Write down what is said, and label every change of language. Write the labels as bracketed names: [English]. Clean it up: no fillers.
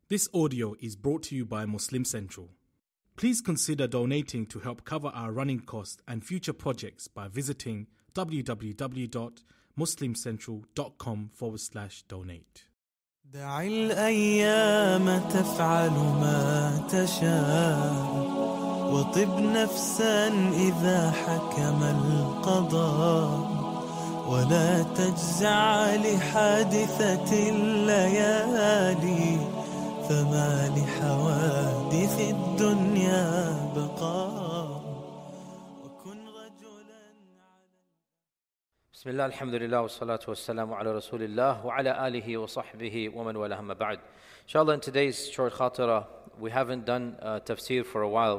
[English] This audio is brought to you by Muslim Central. Please consider donating to help cover our running costs and future projects by visiting www.muslimcentral.com/donate. [Arabic] دع الأيام تفعل ما تشاء وطب نفسا إذا حكم القضاء ولا تجزع لحادثة الليالي فما لحوادث الدنيا بقاء وكن رجلا على بسم الله الحمد لله والصلاة والسلام على رسول الله وعلى آله وصحبه ومن والاه ما بعد. [English] إن شاء الله in today's short khatira, we haven't done tafsir for a while.